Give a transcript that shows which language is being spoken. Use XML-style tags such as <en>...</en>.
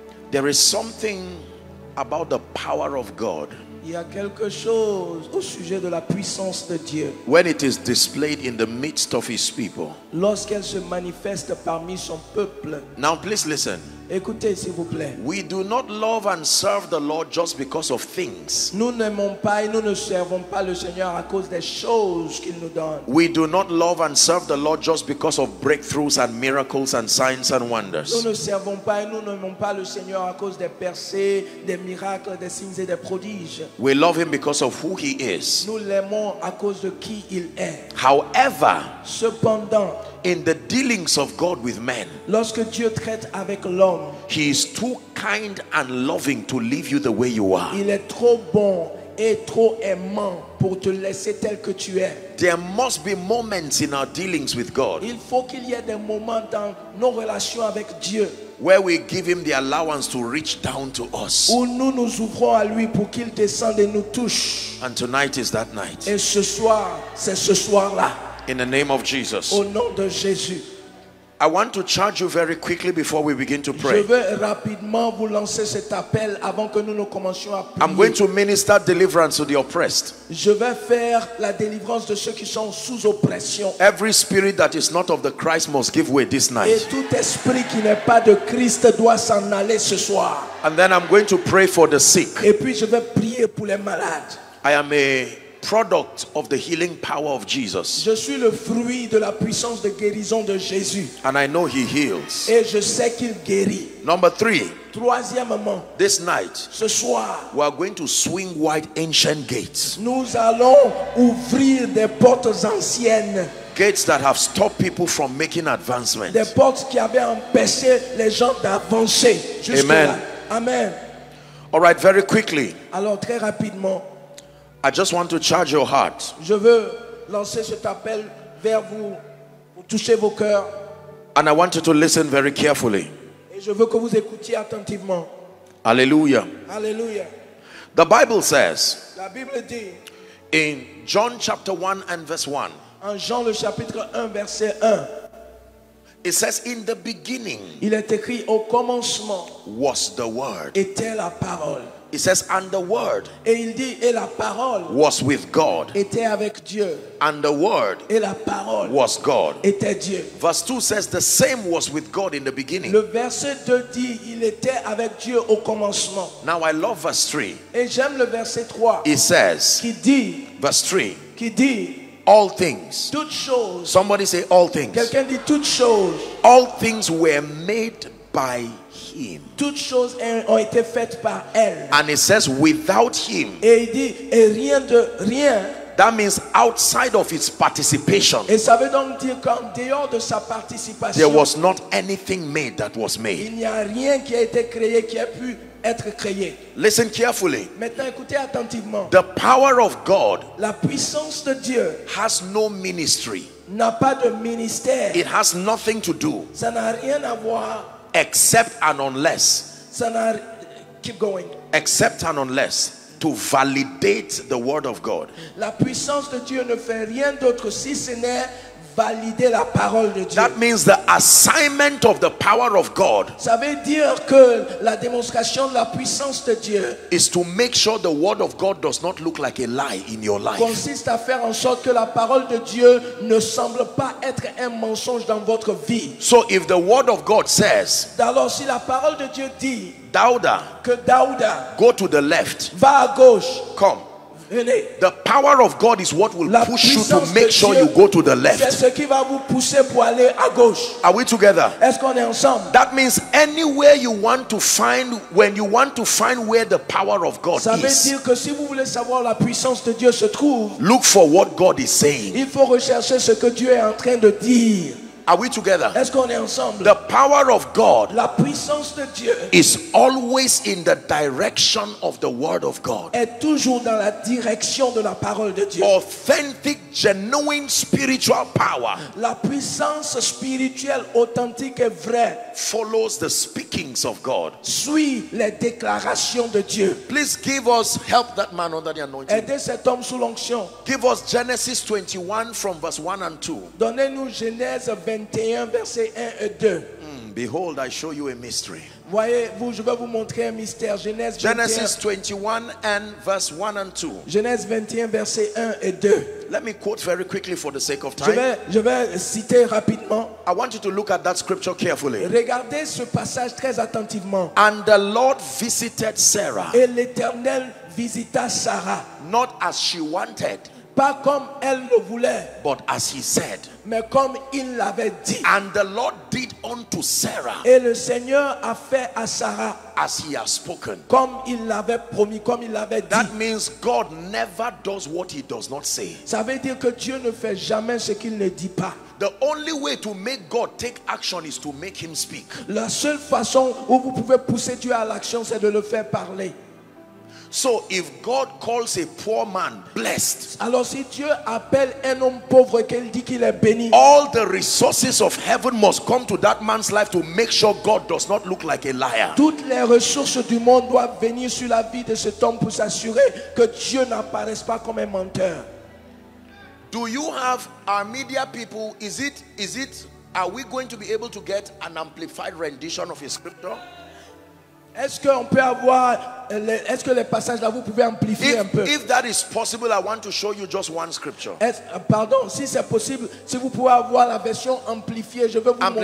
<en>There is something about the power of God.</en> <fr>Il y a quelque chose au sujet de la puissance de Dieu.</fr> <en>When it is displayed in the midst of His people.</en> <fr>Lorsqu'elle se manifeste parmi son peuple.</fr> <en>Now please listen.</en> <fr>Écoutez, s'il vous plaît.</fr> <en>We do not love and serve the Lord just because of things.</en> <fr>Nous n'aimons pas et nous ne servons pas le Seigneur à cause des choses qu'il nous donne.</fr> <en>We do not love and serve the Lord just because of breakthroughs and miracles and signs and wonders.</en> <fr>Nous ne servons pas et nous n'aimons pas le Seigneur à cause des percées, des miracles, des signes et des prodiges.</fr> <en>We love Him because of who He is.</en> <fr>Nous l'aimons à cause de qui il est.</fr> <en>However,</en> <fr>cependant,</fr> <en>in the dealings of God with men,</en> <fr>lorsque Dieu traite avec l'homme,</fr> <en>He is too kind and loving to leave you the way you are.</en> <fr>Il est trop bon et trop aimant pour te laisser tel que tu es.</fr> <en>There must be moments in our dealings with God.</en> <fr>Il faut qu'il y ait des moments dans nos relations avec Dieu</fr> <en>where we give Him the allowance to reach down to us.</en> <fr>Où nous nous ouvrons à lui pour qu'il descende et nous touche.</fr> <en>And tonight is that night.</en> <fr>Et ce soir, c'est ce soir-là.</fr> <en>In the name of Jesus.</en> <fr>Au nom de Jésus.</fr> <en>I want to charge you very quickly before we begin to pray.</en> <fr>Je veux rapidement vous lancer cet appel avant que nous ne commencions à prier.</fr> <en>I'm going to minister deliverance to the oppressed.</en> <fr>Je vais faire la délivrance de ceux qui sont sous oppression.</fr> <en>Every spirit that is not of the Christ must give way this night.</en> <fr>Et tout esprit qui n'est pas de Christ doit s'en aller ce soir.</fr> <en>And then I'm going to pray for the sick.</en> <fr>Et puis je vais prier pour les malades.</fr> <en>I am a product of the healing power of Jesus.</en> <fr>Je suis le fruit de la puissance de guérison de Jésus.</fr> <en>And I know He heals.</en> <fr>Et je sais qu'il guérit.</fr> <en>Number three.</en> <fr>Troisièmement.</fr> <en>This night.</en> <fr>Ce soir.</fr> <en>We are going to swing wide ancient gates.</en> <fr>Nous allons ouvrir des portes anciennes.</fr> <en>Gates that have stopped people from making advancements.</en> <fr>Des portes qui avaient empêché les gens d'avancer.</fr> <en>Amen.</en> <fr>Amen.</fr> <en>All right, very quickly.</en> <fr>Alors très rapidement.</fr> <en>I just want to charge your heart.</en> <fr>Je veux lancer cet appel vers vous pour toucher vos cœurs.</fr> <en>And I want you to listen very carefully.</en> <fr>Et je veux que vous écoutiez attentivement.</fr> <en>Alleluia.</en> <fr>Alleluia.</fr> <en>The Bible says.</en> <fr>La Bible dit.</fr> <en>In John chapter 1 and verse 1.</en> <fr>En Jean le chapitre 1 verset 1.</fr> <en>It says in the beginning.</en> <fr>Il est écrit au commencement.</fr> <en>Was the word.</en> <fr>Était la parole.</fr> <en>It says, and the word</en> <fr>et il dit, et la parole</fr> <en>was with God.</en> <fr>Était avec Dieu.</fr> <en>And the word</en> <fr>et la parole</fr> <en>was God.</en> <fr>Était Dieu.</fr> <en>Verse 2 says, the same was with God in the beginning.</en> <fr>Le verset 2 dit, il était avec Dieu au commencement.</fr> <en>Now I love verse 3.</en> <fr>Et j'aime le verset 3.</fr> <en>It says,</en> <fr>qui dit,</fr> <en>verse 3.</en> <fr>Qui dit,</fr> <en>all things.</en> <fr>Toutes choses.</fr> <en>Somebody say all things.</en> <fr>Quelqu'un dit toutes choses.</fr> <en>All things were made by Him.</en> <fr>Toutes choses ont été faites par elle.</fr> <en>And it says without Him.</en> <fr>Et il dit et rien de rien.</fr> <en>That means outside of His participation.</en> <fr>Et ça veut donc dire qu'en dehors de sa participation.</fr> <en>There was not anything made that was made.</en> <fr>Il n'y a rien qui a été créé qui a pu être créé.</fr> <en>Listen carefully.</en> <fr>Maintenant écoutez attentivement.</fr> <en>The power of God.</en> <fr>La puissance de Dieu.</fr> <en>Has no ministry.</en> <fr>N'a pas de ministère.</fr> <en>It has nothing to do.</en> <fr>Ça n'a rien à voir.</fr> <en>Except and unless, keep going. Except and unless, to validate the word of God.</en> <fr>La puissance de Dieu ne fait rien d'autre si ce n'est valider la parole de Dieu.</fr> <en>That means the assignment of the power of God.</en> <fr>Ça veut dire que la démonstration de la puissance de Dieu</fr> <en>is to make sure the word of God does not look like a lie in your life.</en> <fr>Consiste à faire en sorte que la parole de Dieu ne semble pas être un mensonge dans votre vie.</fr> <en>So if the word of God says,</en> <fr>alors si la parole de Dieu dit,</fr> <en>Dauda,</en> <fr>que Dauda,</fr> <en>go to the left,</en> <fr>va à gauche,</fr> <en>come, The power of God is what will push you to make sure you go to the left.</en> <fr>C'est ce qui va vous pousser pour aller à gauche.</fr> <en>Are we together?</en> <fr>Est-ce qu'on est ensemble?</fr> <en>That means anywhere you want to find, when you want to find where the power of God</en> <fr>ça veut dire que si vous voulez savoir la puissance de Dieu se trouve,</fr> <en>look for what God is saying.</en> <fr>Il faut rechercher ce que Dieu est en train de dire.</fr> <en>Are we together?</en> <fr>Est-ce qu'on est ensemble?</fr> <en>The power of God,</en> <fr>la puissance de Dieu,</fr> <en>is always in the direction of the word of God.</en> <fr>Est toujours dans la direction de la parole de Dieu.</fr> <en>Authentic, genuine spiritual power,</en> <fr>la puissance spirituelle authentique et vraie,</fr> <en>follows the speakings of God.</en> <fr>Suit les déclarations de Dieu.</fr> <en>Please give us, help that man under the anointing.</en> <fr>Aidez cet homme sous l'onction.</fr> <en>Give us Genesis 21 from verse 1 and 2.</en> <fr>Donnez-nous Genèse 21 verset 1 et 2.</fr> <en>Behold, I show you a mystery.</en> <fr>Voyez-vous, je vais vous montrer un mystère. Genèse</fr> <en>21. Genesis 21 and verse 1 and 2.</en> <fr>Genèse 21 verset 1 et 2.</fr> <en>Let me quote very quickly for the sake of time.</en> <fr>Je vais citer rapidement.</fr> <en>I want you to look at that scripture carefully.</en> <fr>Regardez ce passage très attentivement.</fr> <en>And the Lord visited Sarah.</en> <fr>Et l'Éternel visita Sarah.</fr> <en>Not as she wanted.</en> <fr>Pas comme elle le voulait,</fr> <en>but as he said,</en> <fr>mais comme il l'avait dit,</fr> <en>and the Lord did unto Sarah,</en> <fr>et le Seigneur a fait à Sarah,</fr> <en>as he has spoken,</en> <fr>comme il l'avait promis, comme il l'avait dit.</fr> <en>That means God never does what he does not say.</en> <fr>Ça veut dire que Dieu ne fait jamais ce qu'il ne dit pas.</fr> <en>The only way to make God take action is to make him speak.</en> <fr>La seule façon où vous pouvez pousser Dieu à l'action, c'est de le faire parler.</fr> <en>So if God calls a poor man blessed,</en> <fr>alors si Dieu appelle un homme pauvre qu'il dit qu'il est béni,</fr> <en>all the resources of heaven must come to that man's life to make sure God does not look like a liar.</en> <fr>Toutes les ressources du monde doivent venir sur la vie de cet homme pour s'assurer que Dieu n'apparaisse pas comme un menteur.</fr> <en>Do you have our media people? Is it? Are we going to be able to get an amplified rendition of his scripture?</en> <fr>Est-ce qu'on peut avoir est-ce que les passages là vous pouvez amplifier un peu?</fr> <en>If that is possible, I want to show you just one scripture.</en> <fr>Pardon, si c'est possible, si vous pouvez avoir la version amplifiée, je veux vous</fr>